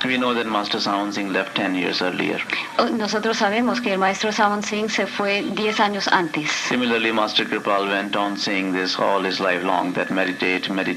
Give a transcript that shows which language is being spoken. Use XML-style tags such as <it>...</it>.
<en>We know that Master Sound Singh left 10 years earlier.</en> <es>Nosotros sabemos que el Maestro Sound Singh se fue 10 años antes.</es> <en>Similarly, Master Kirpal went on saying this all his life long, that meditate.</en>